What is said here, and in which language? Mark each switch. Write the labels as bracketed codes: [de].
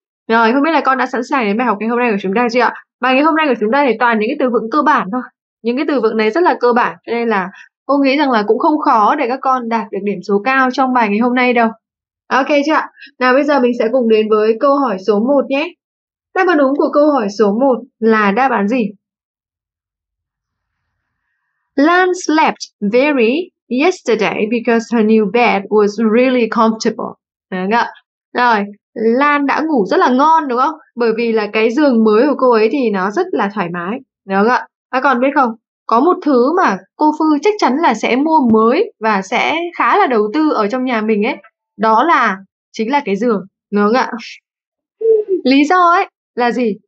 [vi] Rồi, không biết là con đã sẵn sàng đến bài học ngày hôm nay của chúng ta chưa ạ? Bài ngày hôm nay của chúng ta thì toàn những cái từ vựng cơ bản thôi. Những cái từ vựng này rất là cơ bản, cho nên là cô nghĩ rằng là cũng không khó để các con đạt được điểm số cao trong bài ngày hôm nay đâu. Ok chưa ạ? Nào bây giờ mình sẽ cùng đến với câu hỏi số 1 nhé. Đáp án đúng của câu hỏi số 1 là đáp án gì? [en] Lan slept very yesterday because her new bed was really comfortable. [vi] Được không? Rồi, Lan đã ngủ rất là ngon đúng không? Bởi vì là cái giường mới của cô ấy thì nó rất là thoải mái. Được không ạ? Các con biết không? Có một thứ mà cô Phư chắc chắn là sẽ mua mới và sẽ khá là đầu tư ở trong nhà mình ấy. Đó là chính là cái giường. Được không ạ? Lý do ấy là gì?